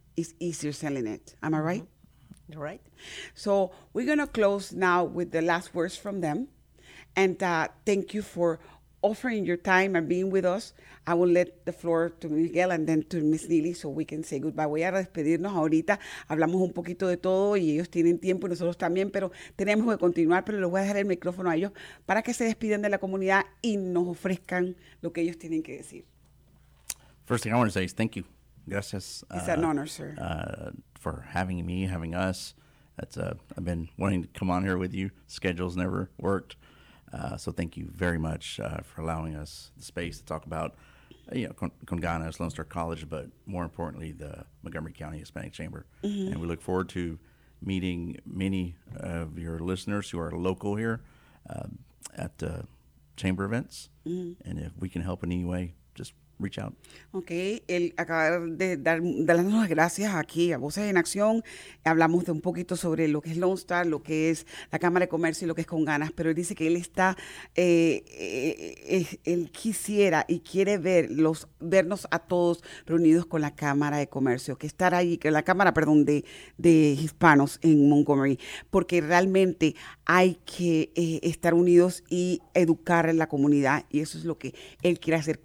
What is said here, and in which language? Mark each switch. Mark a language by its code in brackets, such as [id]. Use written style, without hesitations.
[en] It's easier selling it. Am I right? You're right. So we're going to close now with the last words from them. And thank you for offering your time and being with us. I will let the floor to Miguel and then to Miss Neely so we can say goodbye. [es] Voy a despedirnos ahorita. Hablamos un poquito de todo y ellos tienen tiempo y nosotros también, pero tenemos que continuar, pero les voy a dejar el micrófono a ellos para que se despidan de la comunidad y nos ofrezcan lo que ellos tienen que decir. [en] First thing I want to say is thank you. [es] Gracias. [en] It's an honor, sir. For having me, having us. I've been wanting to come on here with you. Schedules never worked. So thank you very much for allowing us the space to talk about you know, con ganas, Lone Star College, but more importantly, the Montgomery County Hispanic Chamber. Mm-hmm. And we look forward to meeting many of your listeners who are local here at the chamber events. Mm-hmm. And if we can help in any way, just reach out. Okay. [es] El acabar de darnos las gracias aquí a Voces en Acción. Hablamos de un poquito sobre lo que es Lone Star, lo que es la Cámara de Comercio y lo que es con ganas. Pero él dice que él está, él quisiera y quiere vernos a todos reunidos con la Cámara de Comercio, que estar ahí, que la Cámara, perdón, de hispanos en Montgomery, porque realmente hay que estar unidos y educar a la comunidad, y eso es lo que él quiere hacer.